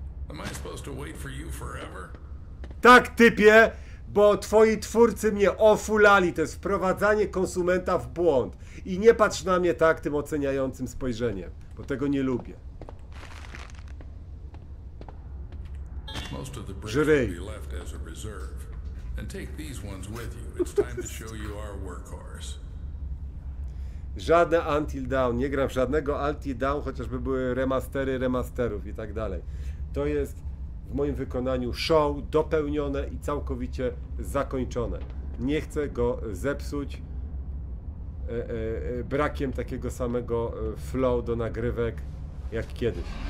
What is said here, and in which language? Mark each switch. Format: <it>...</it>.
<en>Am I supposed to wait for you forever?</en> <pl>Tak, typie, bo twoi twórcy mnie ofulali. To jest wprowadzanie konsumenta w błąd. I nie patrz na mnie tak tym oceniającym spojrzeniem, bo tego nie lubię.</pl> <en>Most of the bricks will be left as a reserve. And take these ones with you. It's time to show you our workhorse.</en> <pl>Żadne Until Dawn, nie gram w żadnego Until Dawn, chociażby były remastery remasterów i tak dalej. To jest w moim wykonaniu show dopełnione i całkowicie zakończone. Nie chcę go zepsuć brakiem takiego samego flow do nagrywek jak kiedyś.</pl>